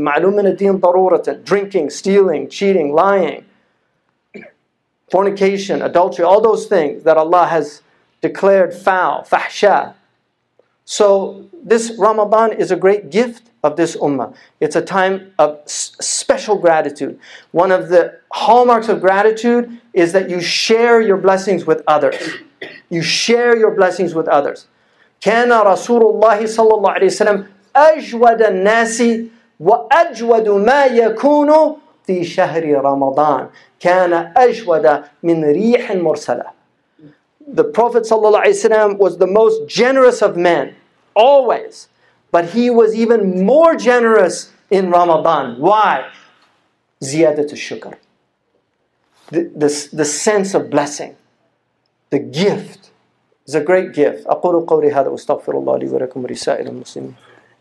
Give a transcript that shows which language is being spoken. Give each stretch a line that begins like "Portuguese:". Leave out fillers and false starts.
Arabic: Ma'lum min ad-din daruratan,
English: drinking, stealing, cheating, lying, fornication, adultery, all those things that Allah has declared foul, fahsha. So this Ramadan is a great gift of this ummah. It's a time of special gratitude. One of the hallmarks of gratitude is that you share your blessings with others. You share your blessings with others.
Arabic: كان رسول الله صلى الله عليه وسلم أجود الناس وأجود ما يكون في شهر رمضان كان أجود من ريح مرسلة.
English: The Prophet صلى الله عليه وسلم was the most generous of men, always. But he was even more generous in Ramadan. Why?
Arabic: زيادة الشكر.
English: The sense of blessing, the gift. It's a great gift.
Arabic: أقول قولي هذا وأستغفر الله لي ولكم ولسائر المسلمين.